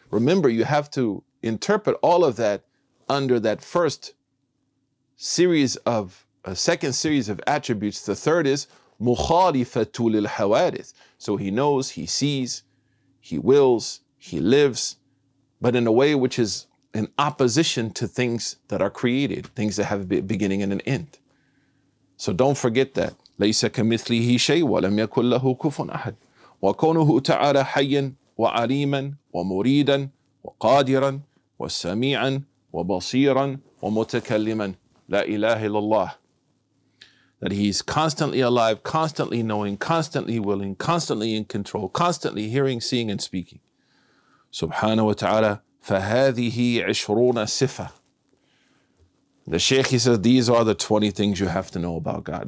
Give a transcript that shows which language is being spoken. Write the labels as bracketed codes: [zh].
[en] Remember, you have to interpret all of that under that first series of, second series of attributes. The third is مخالفة للحوادث. So he knows, he sees, he wills, he lives, but in a way which is in opposition to things that are created, things that have a beginning and an end. So don't forget that. [ar] ليس كمثله شيء ولم يكن له كفوا أحد. وكونه تعالى حيا وعليما ومريدا وقادرا وسميعا وبصيرا ومتكلما. لا إله إلا الله. [en] That he's constantly alive, constantly knowing, constantly willing, constantly in control, constantly hearing, seeing, and speaking. Subhanahu wa ta'ala, [ar] فَهَذِهِ عِشْرُونَ [en] sifa. The Shaykh, he says, these are the 20 things you have to know about God.